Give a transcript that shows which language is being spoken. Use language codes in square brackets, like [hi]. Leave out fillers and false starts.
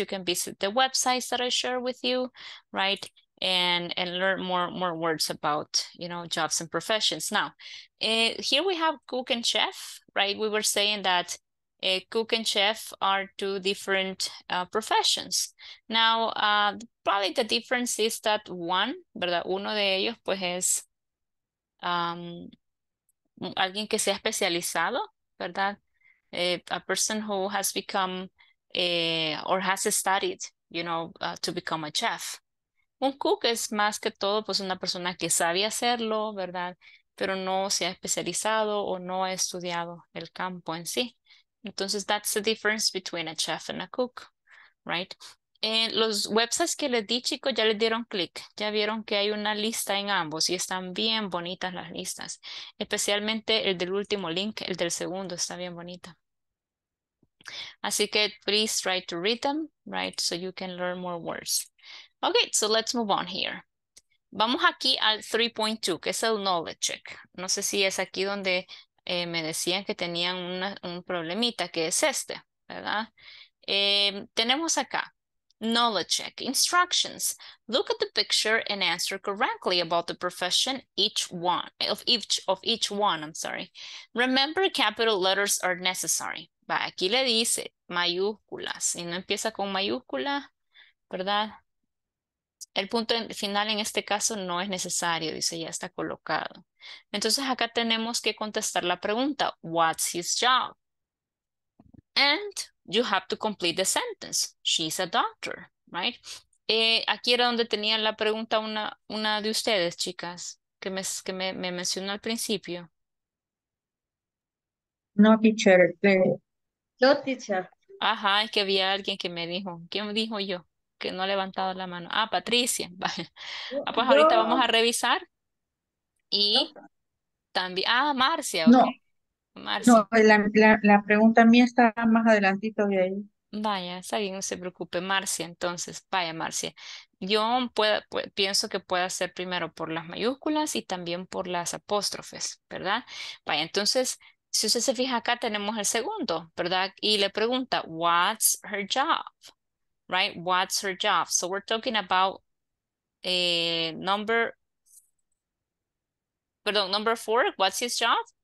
[en] You can visit the websites that I share with you, right? And learn more words about, you know, jobs and professions. Now, here we have cook and chef, right? We were saying that cook and chef are two different professions. Now, probably the difference is that one, ¿verdad? [es] Uno de ellos, pues, es alguien que se ha especializado, ¿verdad? [en] A person who has become or has studied, you know, to become a chef. [es] Un cook es más que todo, pues, una persona que sabe hacerlo, ¿verdad? Pero no se ha especializado o no ha estudiado el campo en sí. [en] Entonces, that's the difference between a chef and a cook, right? [es] En los websites que les di, chicos, ya les dieron clic. Ya vieron que hay una lista en ambos y están bien bonitas las listas. Especialmente el del último link, el del segundo, está bien bonita. Así que, [en] please try to read them, right? So you can learn more words. Okay, so let's move on here. [es] Vamos aquí al 3.2, que es el knowledge check. No sé si es aquí donde me decían que tenían un problemita, que es este, ¿verdad? Tenemos acá, knowledge check, instructions. [en] Look at the picture and answer correctly about the profession of each one, I'm sorry. Remember, capital letters are necessary. [es] Va, aquí le dice mayúsculas, y no empieza con mayúscula, ¿verdad? El punto final en este caso no es necesario, dice, ya está colocado. Entonces acá tenemos que contestar la pregunta, [en] what's his job? And you have to complete the sentence, she's a doctor, right? [es] Aquí era donde tenía la pregunta una de ustedes, chicas, que me mencionó al principio. [en] No, teacher. No, teacher. [es] Ajá, es que había alguien que me dijo, ¿quién me dijo yo? Que no ha levantado la mano. Ah, Patricia. Ah, pues ahorita no. Vamos a revisar. Y también. Ah, Marcia. [en] No. Okay. Marcia. [es] No, la pregunta mía está más adelantito de ahí. Vaya, está bien, no se preocupe. Marcia, entonces. Vaya, Marcia. Yo pienso que puede ser primero por las mayúsculas y también por las apóstrofes, ¿verdad? Vaya, entonces, si usted se fija acá, tenemos el segundo, ¿verdad? Y le pregunta, [en] what's her job? Right, what's her job? So we're talking about number four, what's his job?